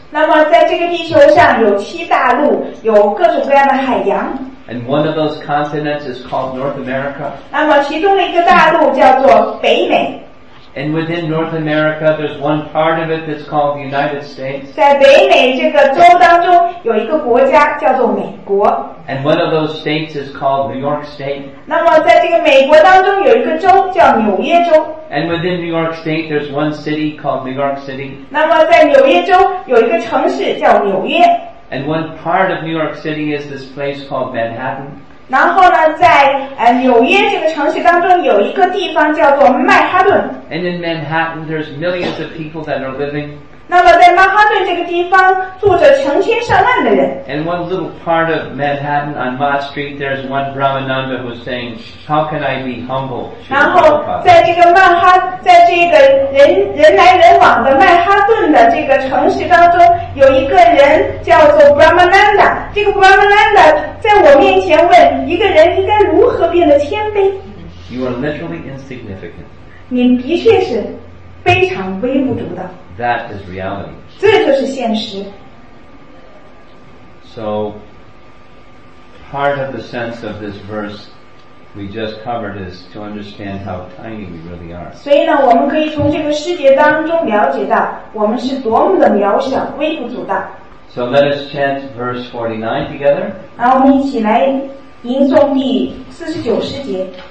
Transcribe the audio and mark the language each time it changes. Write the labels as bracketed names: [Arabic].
[Chinese] 那么在这个地球上有七大陆，有各种各样的海洋。 [English] And one of those continents is called North America. [Chinese] 那么其中的一个大陆叫做北美。 [English] And within North America, there's one part of it that's called the United States. [Chinese] 在北美这个州当中，有一个国家叫做美国。 [English] And one of those states is called New York State. [Chinese] 那么在这个美国当中，有一个州叫纽约州。 [English] And within New York State, there's one city called New York City. [Chinese] 那么在纽约州，有一个城市叫纽约。 [English] And one part of New York City is this place called Manhattan. [Chinese] 然后呢，在纽约这个城市当中，有一个地方叫做曼哈顿。 [English] And in Manhattan, there's millions of people that are living. [Chinese] 那么在曼哈顿这个地方住着成千上万的人。 [English] And one little part of Manhattan on Mott Street, there's one Brahmananda who's saying, "How can I be humble?" [Chinese] 然后在这个曼哈，在这个人来人往的曼哈顿的这个城市当中。有一个人叫做 Brahmananda， 这个 Brahmananda 在我面前问一个人应该如何变得谦卑。 [English] You are literally insignificant. [Chinese] 你的确是非常微不足道。 [English] That is reality. [Chinese] 这就是现实。 [English] So, part of the sense of this verse we just covered is to understand how tiny we really are. [Chinese] 所以呢，我们可以从这个世界当中了解到，我们是多么的渺小、微不足道。 [English] So let us chant verse 49 together. [Chinese] 那我们一起来吟诵第四十九诗节。